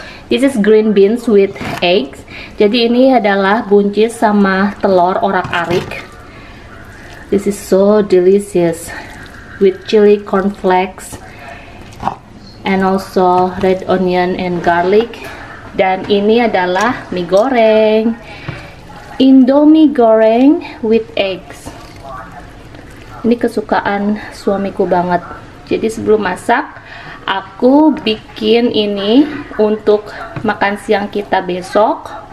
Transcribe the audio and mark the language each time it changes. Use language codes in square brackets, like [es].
[en] This is green beans with eggs. [id] Jadi ini adalah buncis sama telur orak-arik. [en] This is so delicious with chili cornflakes and also red onion and garlic. [id] Dan ini adalah mie goreng, Indomie goreng [en] with eggs. [id] Ini kesukaan suamiku banget. Jadi sebelum masak aku bikin ini untuk makan siang kita besok.